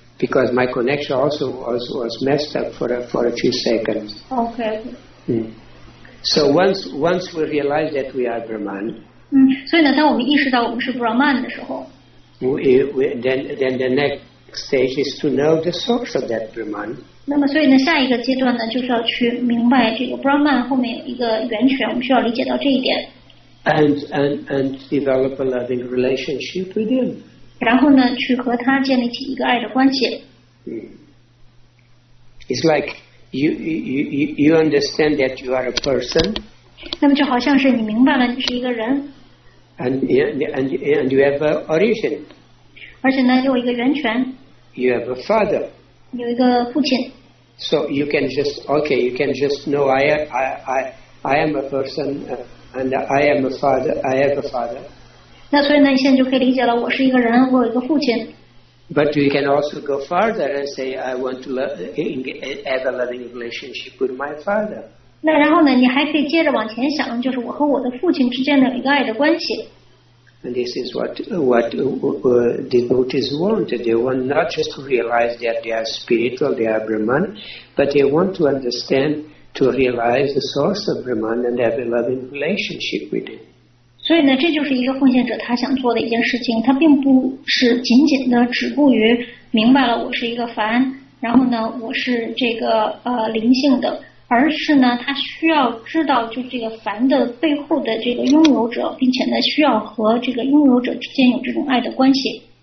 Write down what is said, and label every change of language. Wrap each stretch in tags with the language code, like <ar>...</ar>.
<en>Because my connection also was messed up for a few seconds. Okay. So once we realize that we are Brahman.</en> <zh>所以呢，当我们意识到我们是 Brahman 的时候。</zh> <en>Then the next stage is to know the source of that Brahman.</en> <zh>那么，所以呢，下一个阶段呢，就是要去明白这个 Brahman 后面有一个源泉，我们需要理解到这一点。</zh> <en>And develop a loving relationship with him.</en> <zh>然后呢，去和他建立起一个爱的关系。</zh> <en>It's like you understand that you are a person.</en> <zh>那么就好像是你明白了你是一个人。</zh> <en>And you have an origin.</en> <zh>而且呢，有一个源泉。</zh> <en>You have a father.</en> <zh>有一个父亲。</zh> <en>So you can just okay, you can just know I am a person. And I am a father. I have a father.</en> <zh>那所以呢，你现在就可以理解了。我是一个人，我有一个父亲。</zh> <en>But you can also go further and say, I want to have a loving relationship with my father.</en> <zh>那然后呢，你还可以接着往前想，就是我和我的父亲之间的一个爱的关系。</zh> <en>And this is what devotees want. They want not just to realize that they are spiritual, they are Brahman, but they want to understand. To realize the source of Brahman and have a loving relationship with it.</en> <zh>所以呢，这就是一个奉献者他想做的一件事情。他并不是仅仅的止步于明白了我是一个凡，然后呢，我是这个灵性的，而是呢，他需要知道就这个凡的背后的这个拥有者，并且呢，需要和这个拥有者之间有这种爱的关系。</zh>